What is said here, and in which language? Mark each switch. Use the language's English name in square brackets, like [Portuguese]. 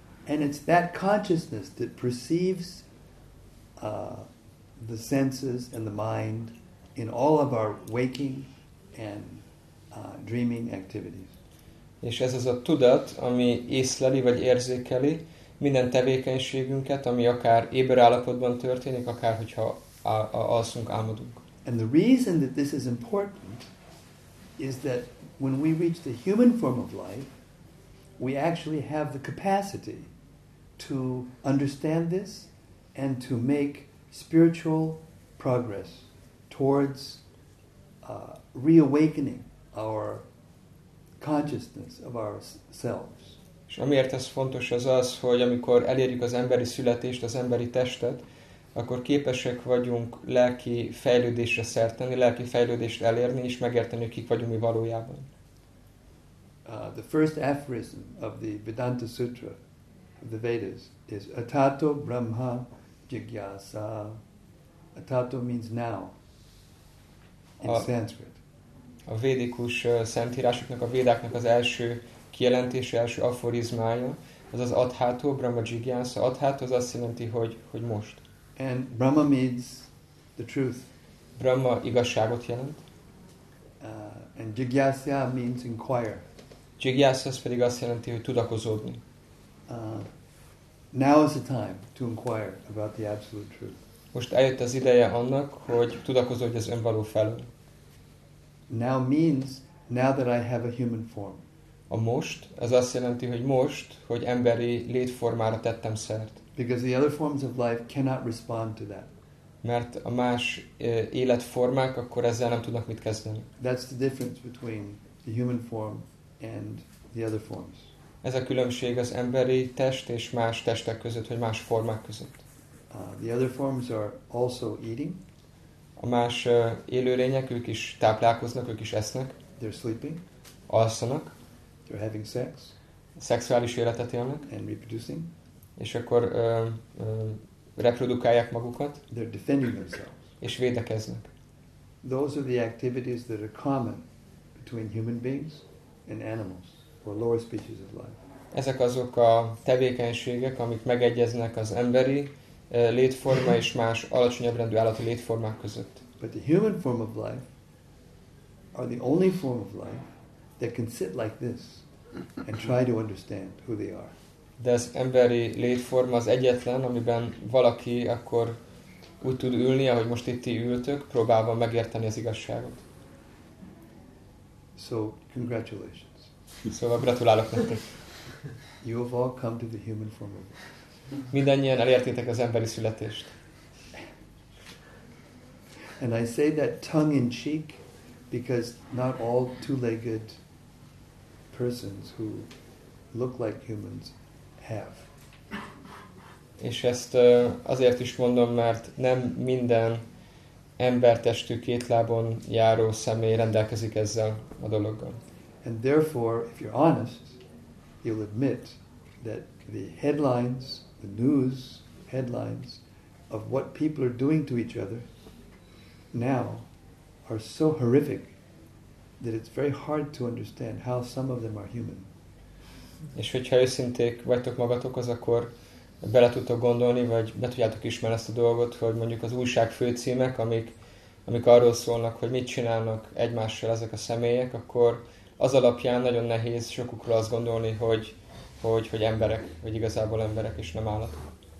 [English] And it's that consciousness that perceives the senses and the mind in all of our waking and dreaming activities. [Hungarian] És ez az a tudat, ami észleli vagy érzékeli minden tevékenységünket, ami akár éber állapotban történik, akár hogyha alszunk, álmodunk. [English] And the reason that this is important is that when we reach the human form of life, we actually have the capacity to understand this and to make spiritual progress towards reawakening our consciousness of ourselves. [Hungarian] És amiért ez fontos, az az, hogy amikor elérjük az emberi születést, az emberi testet, akkor képesek vagyunk lelki fejlődésre szert tenni, lelki fejlődést elérni és megérteni, kik vagyunk mi valójában. [English] The first aphorism of the Vedanta Sutra of the Vedas is Atato Brahma Jigyasa. Atato means now in Sanskrit. [Hungarian] A védikus szentírásoknak, a védáknak az első kijelentése, első aforizmája, az az adhátó, Brahma Jigyasa. Adhátó az azt jelenti, hogy most. [English] And Brahma means the truth. [Hungarian] Brahma igazságot jelent. [English] And Jigyasa means inquire. [Hungarian] Jigyasa az pedig azt jelenti, hogy tudakozódni. [English] Now is the time to inquire about the absolute truth. [Hungarian] Most eljött az ideje annak, hogy tudakozódj az önvaló felől. [English] Now means now that I have a human form. [Hungarian] A most, ez azt jelenti, hogy most, hogy emberi létformára tettem szert. [English] Because the other forms of life cannot respond to that. [Hungarian] Mert a más életformák akkor ezzel nem tudnak mit kezdeni. [English] That's the difference between the human form and the other forms. [Hungarian] Ez a különbség az emberi test és más testek között, vagy más formák között. [English] The other forms are also eating. [Hungarian] A más élőlények, ők is táplálkoznak, ők is esznek. [English] They're sleeping. [Hungarian] Alszanak. [English] They're having sex. [Hungarian] Szexuális életet élnek. [English] And reproducing. [Hungarian] És akkor reprodukálják magukat. [English] They're defending themselves. [Hungarian] És védekeznek. [English] Those are the activities that are common between human beings and animals or lower species of life. [Hungarian] Ezek azok a tevékenységek, amik megegyeznek az emberi létforma és más alacsonyabb rendű állati létformák között. [English] But the human form of life are the only form of life that can sit like this and try to understand who they are. [Hungarian] De az emberi létforma az egyetlen, amiben valaki akkor úgy tud ülni, ahogy most itt ti ültök, próbálva megérteni az igazságot. [English] So, congratulations. [Hungarian] Szóval gratulálok nektek. [English] You have all come to the human form of life. [Hungarian] Mindannyian elértétek az emberi születést. [English] And I say that tongue in cheek, because not all two-legged persons who look like humans have. [Hungarian] És ezt azért is mondom, mert nem minden embertestű kétlábon járó személy rendelkezik ezzel a dologgal. [English] And therefore, if you're honest, you'll admit that the headlines, the news headlines of what people are doing to each other now are so horrific that it's very hard to understand how some of them are human. [Hungarian] És hogyha őszinték vagytok magatokhoz, akkor bele tudtok gondolni, vagy be tudjátok ismerni ezt a dolgot, hogy mondjuk az újság főcímek, amik arról szólnak, hogy mit csinálnak egymással ezek a személyek, akkor az alapján nagyon nehéz sokukról azt gondolni, hogy emberek, vagy igazából emberek, és nem állatok.